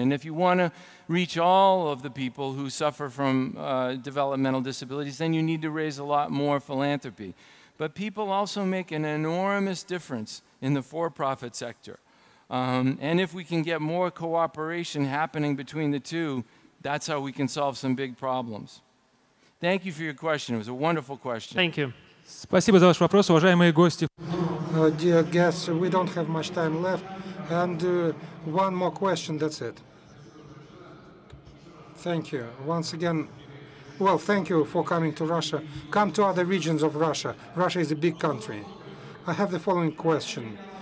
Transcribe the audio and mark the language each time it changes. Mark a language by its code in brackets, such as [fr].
[en] And if you want to reach all of the people who suffer from developmental disabilities, then you need to raise a lot more philanthropy. But people also make an enormous difference in the for-profit sector. And if we can get more cooperation happening between the two, that's how we can solve some big problems. Thank you for your question. It was a wonderful question. Thank you. [ru] Спасибо за ваш вопрос, уважаемые гости. [en] Dear guests, we don't have much time left. And one more question, that's it. Thank you. Once again, well, thank you for coming to Russia. Come to other regions of Russia. Russia is a big country. I have the following question.